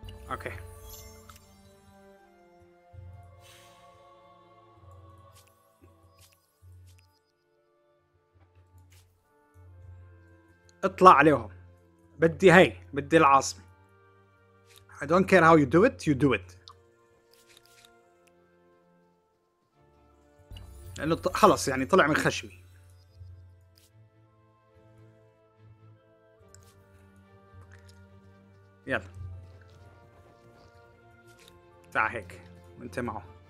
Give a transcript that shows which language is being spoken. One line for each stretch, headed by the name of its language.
Arabic: اوكي اطلع عليهم بدي هاي بدي العاصمة.
English: I don't care how you do it, you do it.
Arabic: لأنه خلص يعني طلع من خشمي. يلا تعا هيك وانت معه.